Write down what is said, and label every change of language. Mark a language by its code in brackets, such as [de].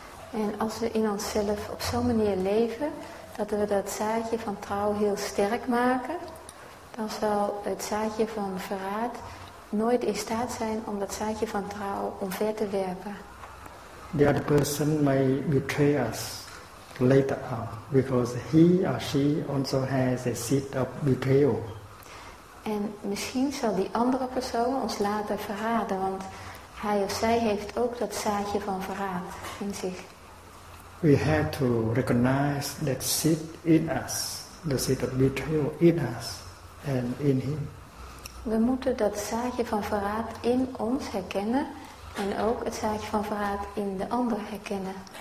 [nl] En als we in onszelf op zo'n manier leven dat we dat zaadje van trouw heel sterk maken, dan zal het zaadje van verraad nooit in staat zijn om dat zaadje van trouw omver te werpen. [en] The other person may betray us later on, because he or she also has a seed of betrayal. [nl] En misschien zal die andere persoon ons later verraden, want hij of zij heeft ook dat zaadje van verraad in zich. [en] We have to recognize that seed in us, the seed of betrayal in us and in him. [nl] We moeten dat zaadje van verraad in ons herkennen en ook het zaadje van verraad in de ander herkennen.